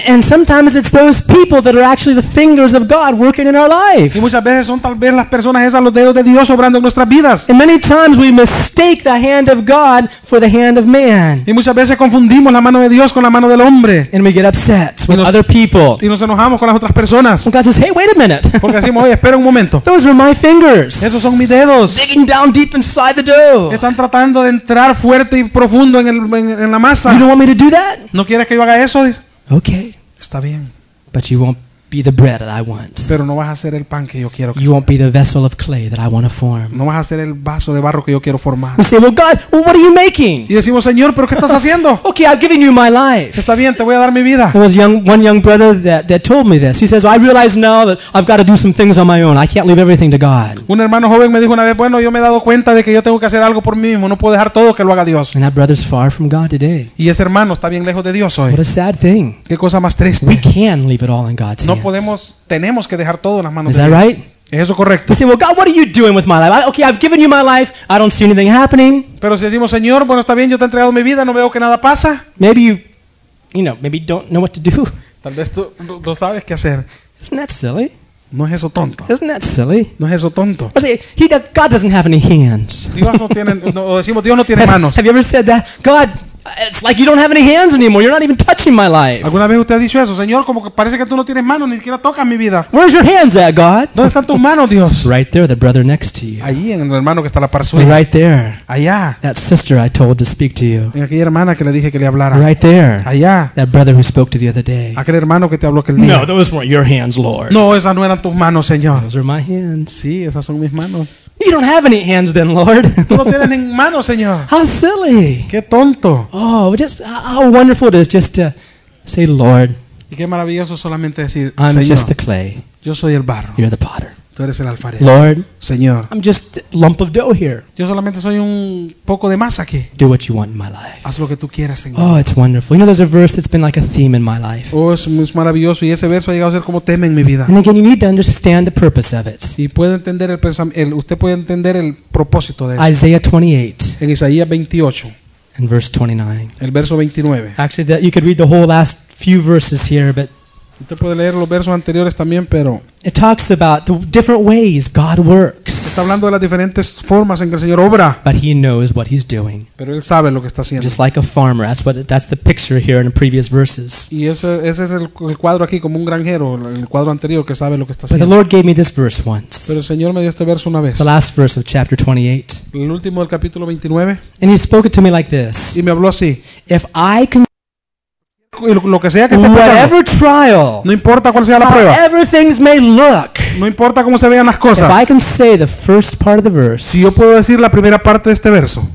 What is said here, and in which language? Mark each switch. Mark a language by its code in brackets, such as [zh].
[en] And sometimes it's those people that are actually the fingers of God working in our life. [es] Y muchas veces son tal vez las personas esas los dedos de Dios obrando en nuestras vidas. [en] And many times we mistake the hand of God for the hand of man. [es] Y muchas veces confundimos la mano de Dios con la mano del hombre. [en] And we get upset with other people. [es] Y nos enojamos con las otras personas. [en] And God says, "Hey, wait a minute." [es] Porque decimos, "Oye, espera un momento." [en] Those are my fingers. [es] Esos son mis dedos. [en] Down deep inside the dough. [es] Están tratando de entrar fuerte y profundo en la masa. [en] You don't want me to do that? [es] ¿No quieres que yo haga eso? [en] Okay. [es] Está bien. [en] But you won't be the bread that I want. [es] Pero no vas a ser el pan que yo quiero. [en] You won't be the vessel of clay that I want to form. [es] No vas a ser el vaso de barro que yo quiero formar. [en] We say, well, God, well, what are you making? [es] Y decimos, Señor, ¿pero qué estás haciendo? [en] Okay, I've given you my life. [es] Está bien, te voy a dar mi vida. [en] There was one young brother that told me this. He says, well, I realize now that I've got to do some things on my own. I can't leave everything to God. [es] Un hermano joven me dijo una vez, bueno, yo me he dado cuenta de que yo tengo que hacer algo por mí mismo. No puedo dejar todo que lo haga Dios. [en] And that brother's far from God today. [es] Y ese hermano está bien lejos de Dios hoy. [en] What a sad thing. [es] Qué cosa más triste. [en] We can leave it all in God's hands. [es] Tenemos que dejar todo en las manos de Dios. [en] Right? [es] ¿Es eso correcto? [en] We say, well, God, what are you doing with my life? Okay, I've given you my life. I don't see anything happening. [es] Pero si decimos, Señor, bueno, está bien, yo te he entregado mi vida, no veo que nada pasa. [en] Maybe you don't know what to do. [es] Tal vez tú no sabes qué hacer. [en] Isn't that silly? [es] No es eso tonto. [en] Isn't that silly? [es] No es eso tonto. [en] Or say, God doesn't have any hands. [es] Dios no tiene, o decimos, Dios no tiene manos. [en] Have you ever said that? God, it's like you don't have any hands anymore. You're not even touching my life. [es] ¿Alguna vez usted ha dicho eso, Señor? Como que parece que tú no tienes manos ni siquiera tocas mi vida. [en] Where's your hands at, God? [es] ¿Dónde están tus manos, Dios? [en] Right there, the brother next to you. [es] Ahí en el hermano que está a la par suya. [en] Right there. [es] Allá. [en] That sister I told to speak to you. [es] En aquella hermana que le dije que le hablara. [en] Right there. [es] Allá. [en] That brother who spoke to the other day. [es] Aquel hermano que te habló aquel día. [en] No, those weren't your hands, Lord. [es] No, esas no eran tus manos, Señor. [en] Those are my hands. [es] Sí, esas son mis manos. [en] You don't have any hands then, Lord. [es] Tú no tienes ni manos, Señor. [en] How silly. [es] Qué tonto. [en] Oh, just how wonderful it is just to say, Lord. [es] Y qué maravilloso solamente decir, [en] I'm [es] Señor. [en] I'm just the clay. [es] Yo soy el barro. [en] You're the potter. [es] Tú eres el alfarero. [en] Lord. [es] Señor. [en] I'm just a lump of dough here. [es] Yo solamente soy un poco de masa aquí. [en] Do what you want in my life. [es] Haz lo que tú quieras, Señor. [en] Oh, it's wonderful. You know, there's a verse that's been like a theme in my life. [es] Oh, es maravilloso y ese verso ha llegado a ser como tema en mi vida. [en] And again, you need to understand the purpose of it. [es] Y puede entender usted puede entender el propósito de eso. [en] Isaiah 28. [es] En Isaías 28. [en] And verse 29. [es] El verso 29. [en] Actually, you could read the whole last few verses here, but [es] usted puede leer los versos anteriores también, pero [en] it talks about the different ways God works. [es] Está hablando de las diferentes formas en que el Señor obra. [en] But he knows what he's doing. [es] Pero él sabe lo que está haciendo. [en] Just like a farmer. That's the picture here in the previous verses. [es] Y ese es el cuadro aquí como un granjero, el cuadro anterior que sabe lo que está haciendo. [en] But the Lord gave me this verse once. [es] Pero el Señor me dio este verso una vez. [en] The last verse of chapter 28. [es] El último del capítulo 29. [en] And he spoke it to me like this. [es] Y me habló así. [en] If I can [es] lo que sea que esté [en] whatever Trial, [es] no importa cuál sea la prueba. [en] However things may look, [es] no importa cómo se vean las cosas. [en] If I can say the first part of the verse, [es] si yo puedo decir la primera parte de este verso,